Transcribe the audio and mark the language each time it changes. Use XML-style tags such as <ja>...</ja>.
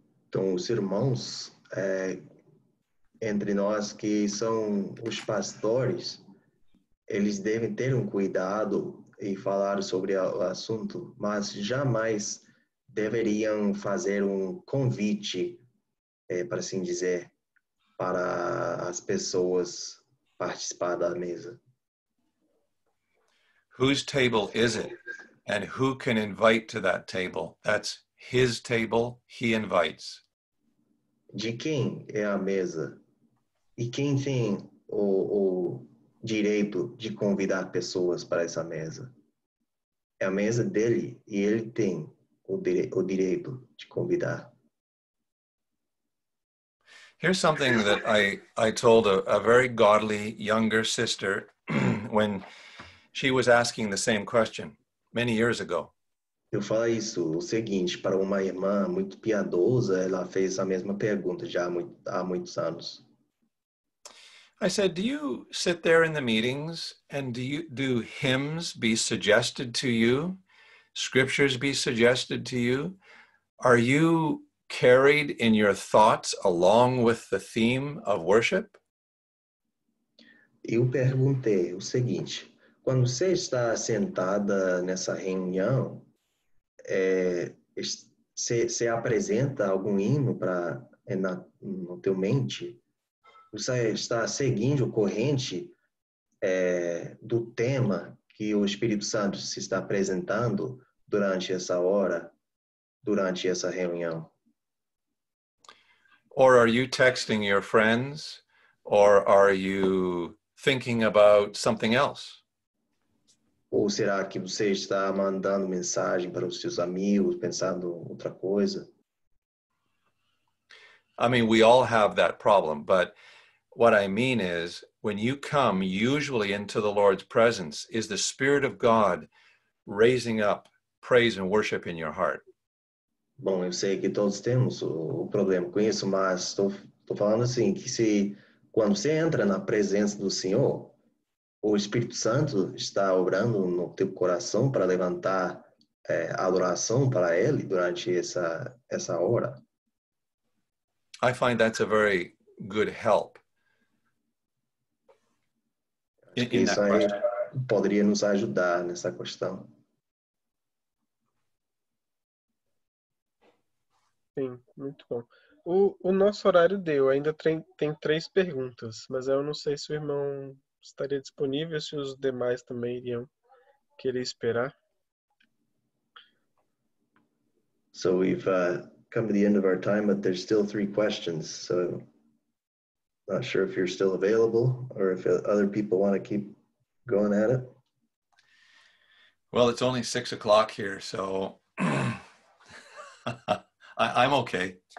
<pt>Então, os irmãos entre nós que são os pastores, eles devem ter um cuidado e falar sobre o assunto, mas jamais deveriam fazer um convite, para assim dizer, para as pessoas participar da mesa.</pt> <en>Whose table is it? And who can invite to that table? That's his table, he invites.</en> <pt>De quem é a mesa? E quem tem o direito de convidar pessoas para essa mesa? É a mesa dele e ele tem o direito de convidar.</pt> <en>Here's something that I told a very godly younger sister when she was asking the same question. Many years ago.</en> <pt>Eu falo isso o seguinte para uma irmã muito piadosa, ela fez a mesma pergunta já há muitos anos.</pt> <en>I said, do you sit there in the meetings and do hymns be suggested to you? Scriptures be suggested to you? Are you carried in your thoughts along with the theme of worship?</en> <pt>Eu perguntei o seguinte: quando você está sentada nessa reunião, você apresenta algum hino para no teu mente? Você está seguindo a corrente do tema que o Espírito Santo se está apresentando durante essa hora, durante essa reunião?</pt> <en>Or are you texting your friends? Or are you thinking about something else?</en> <pt>Ou será que você está mandando mensagem para os seus amigos, pensando em outra coisa?</pt> <en>I mean, we all have that problem, but what I mean is, when you come usually into the Lord's presence, is the Spirit of God raising up praise and worship in your heart?</en> <pt>Bom, eu sei que todos temos o problema com isso, mas estou falando assim, que se quando você entra na presença do Senhor, o Espírito Santo está obrando no teu coração para levantar adoração para Ele durante essa hora.</pt> <en>I find that's a very good help.</en> <pt>Isso aí poderia nos ajudar nessa questão. Sim, muito bom. O nosso horário deu, ainda tem três perguntas, mas eu não sei se o irmão estaria disponível, se os demais também iriam querer esperar.</pt> <en>So we've come to the end of our time, but there's still three questions, so not sure if you're still available or if other people want to keep going at it. Well, it's only 6 o'clock here, so I'm okay.</en>